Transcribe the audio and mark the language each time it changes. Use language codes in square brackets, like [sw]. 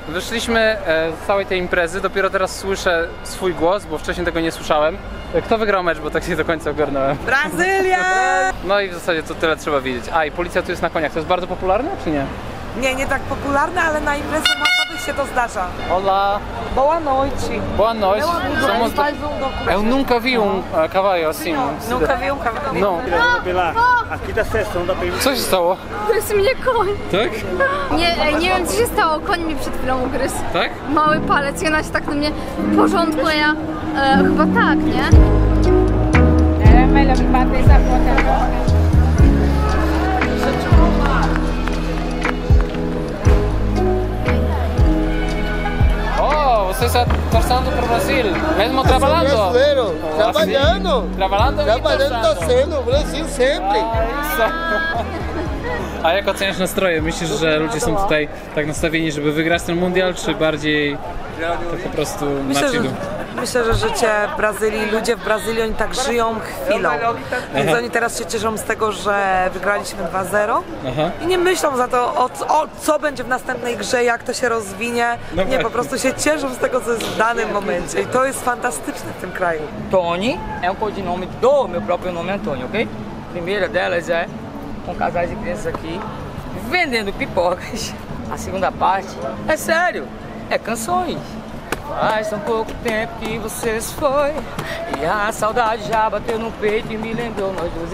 [pl] Wyszliśmy z całej tej imprezy. Dopiero teraz słyszę swój głos, bo wcześniej tego nie słyszałem. Kto wygrał mecz, bo tak się do końca ogarnąłem? Brazylia! No i w zasadzie to tyle trzeba wiedzieć. A i policja tu jest na koniach. To jest bardzo popularne, czy nie? Nie, nie tak popularne, ale na imprezy masowych się to zdarza. [es] Hola! [pt] Boa noite! Boa noite! Somos do... Eu nunca vi um cavalo assim. Nunca vi um cavalo. Não. Aqui da sesta, não dá pra ir. [pl] Co się stało? To jest mnie koń. Tak? Nie wiem, co się stało. Koń mi przed chwilą ugryzł. Tak? Mały palec. I ona się tak na mnie w porządku, a ja chyba tak, nie? [pt] Você está torcendo para o Brasil, mesmo trabalhando? Eu sou brasileiro, trabalhando. Assim, trabalhando e trabalhando, torcendo. Torcendo o Brasil sempre. [pl] A jak oceniasz nastroje? Myślisz, że ludzie są tutaj tak nastawieni, żeby wygrać ten Mundial, czy bardziej to po prostu na chwilę? Myślę, że życie w Brazylii, ludzie w Brazylii, oni tak żyją chwilą. Więc oni teraz się cieszą z tego, że wygraliśmy 2-0. Aha. I nie myślą za to, o co będzie w następnej grze, jak to się rozwinie. Nie, po prostu się cieszą z tego, co jest w danym momencie. I to jest fantastyczne w tym kraju. [pt] Tony é um codinome do meu próprio nome Antônio, ok? Primeira delas é... com casais de crianças aqui, vendendo pipocas. A segunda parte, é sério, é canções. Faz tão pouco tempo que você se foi, e a saudade já bateu no peito e me lembrou nós dois.